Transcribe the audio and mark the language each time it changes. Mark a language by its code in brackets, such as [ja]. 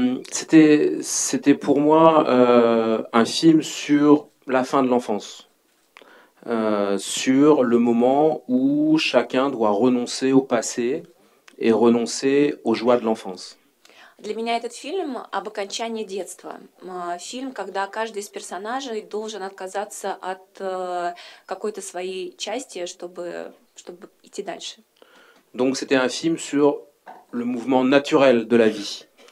[fr] C'était pour moi un film sur la fin de l'enfance, sur le moment où chacun doit renoncer au passé et renoncer aux joies de l'enfance. [ru] Для меня этот фильм об окончании детства. Фильм, когда каждый из персонажей должен отказаться от какой-то своей части, чтобы идти дальше. [fr] Donc c'était un film sur le mouvement naturel de la vie.